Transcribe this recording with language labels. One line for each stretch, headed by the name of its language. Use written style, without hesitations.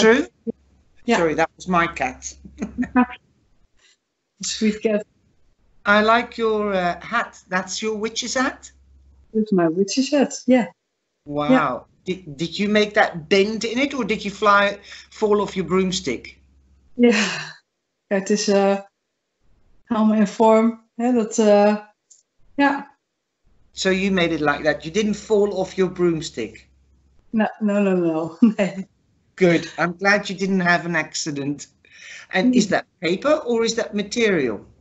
English: true? Sorry, that was my cat. Sweet cat. I like your hat. That's your witch's hat. With my witch's hat. Yeah. Wow. Did you make that bend in it, or did you fall off your broomstick?
Dutch: Ja, het is helemaal in vorm. Hè? Dat, ja.
English: So you made it like that. You didn't fall off your broomstick. No. Good. I'm glad you didn't have an accident. And is
Dutch: Nee.
English: that paper or is that material?